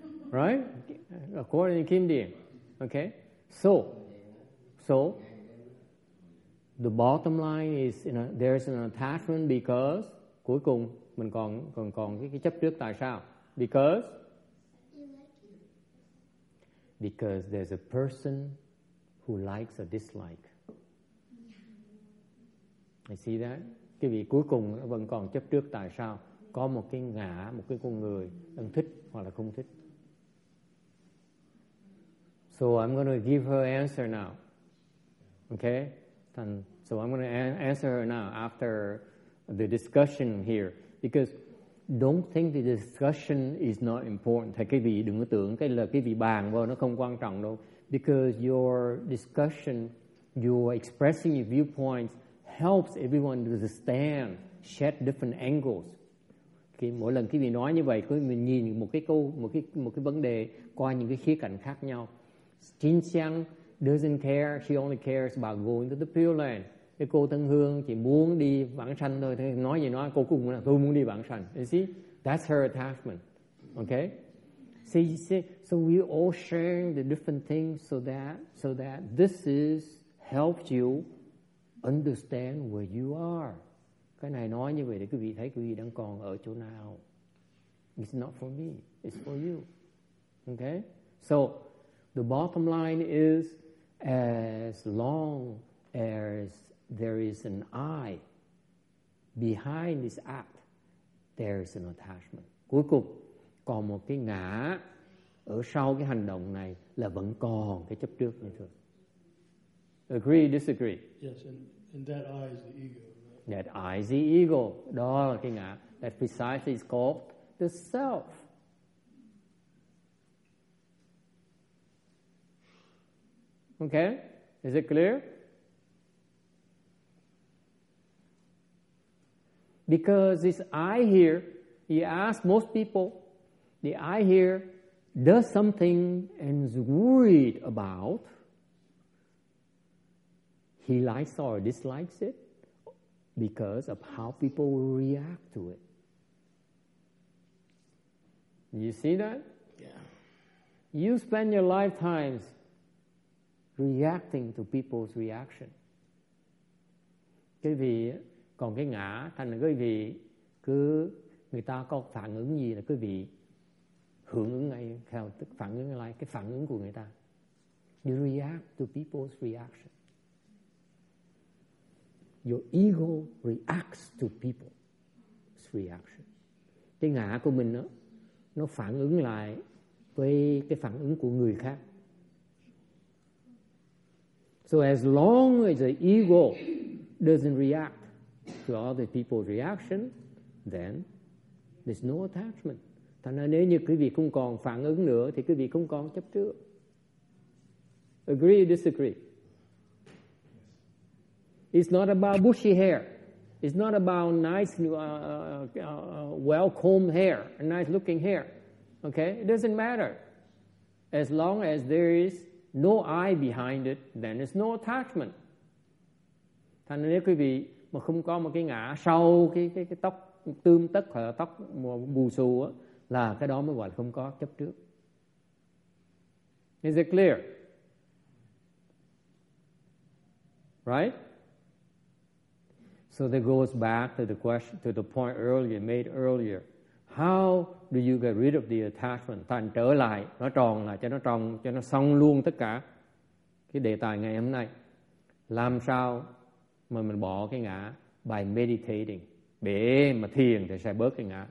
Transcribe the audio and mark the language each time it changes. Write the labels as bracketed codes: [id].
[en] Right? According to Kim Dian. Okay? So, the bottom line is, you know, there's an attachment because, [vi] cuối cùng, mình còn cái chấp trước tại sao? [en] Because? Because there's a person who likes or dislike. You see that? [vi] Cái vị cuối cùng vẫn còn chấp trước tại sao? Có một cái ngã, một cái con người đang thích hoặc là không thích. [en] So I'm going to give her answer now. Okay, and so I'm going to answer her now after the discussion here. Because don't think the discussion is not important. [vi] Thầy cái vị đừng có tưởng cái là cái vị bàn vô nó không quan trọng đâu. [en] Because your discussion, your expressing your viewpoints helps everyone to understand, shed different angles. [vi] Okay, mỗi lần cái vị nói như vậy, cái mình nhìn một cái câu, một cái vấn đề qua những cái khía cạnh khác nhau. Chính xác. [en] Doesn't care, she only cares about going to the Pure Land. [vi] cái cô Tân Hương chỉ muốn đi vãng sanh thôi, thế nói gì nói, cô cũng là tôi muốn đi vãng sanh. [en] You see, that's her attachment. Okay? See, you see, so we all sharing the different things so that this is helps you understand where you are. [vi] Cái này nói như vậy để quý vị thấy quý vị đang còn ở chỗ nào. [en] It's not for me, it's for you. Okay? So, the bottom line is, as long as there is an I behind this act, there is an attachment. [vi] Cuối cùng, còn một cái ngã ở sau cái hành động này là vẫn còn cái chấp trước như thường. [en] Agree, disagree? Yes, and that I is the ego. Right? That I is the ego. [vi] Đó là cái ngã. [en] That precisely is called the self. Okay? Is it clear? Because this I here, you ask most people, the I here does something and is worried about. He likes or dislikes it because of how people will react to it. You see that? Yeah. You spend your lifetimes reacting to people's reaction. [vi] Quý vị còn cái ngã, thành là quý vị cứ người ta có phản ứng gì là quý vị hưởng ứng ngay, theo phản ứng lại cái phản ứng của người ta. [en] You react to people's reaction. Your ego reacts to people's reaction. [vi] Cái ngã của mình đó, nó phản ứng lại với cái phản ứng của người khác. [en] So as long as the ego doesn't react to other people's reaction, then there's no attachment. [vi] Thành ra nếu như quý vị không còn phản ứng nữa, thì quý vị không còn chấp trước. [en] Agree or disagree? It's not about bushy hair. It's not about nice, well-combed hair, nice-looking hair. Okay? It doesn't matter. As long as there is no I behind it, then it's no attachment. [vi] Thành ra nếu quý vị mà không có một cái ngã sau cái tóc tươm tất hoặc là tóc bù xù á, là cái đó mới gọi là không có chấp trước. [en] Is it clear? Right? So that goes back to the question, to the point earlier, made earlier. How do you get rid of the attachment? [vi] Thành trở lại, nó tròn lại, cho nó tròn, cho nó xong luôn tất cả cái đề tài ngày hôm nay. Làm sao mà mình bỏ cái ngã? [en] By meditating. [vi] Bể mà thiền thì sẽ bớt cái ngã.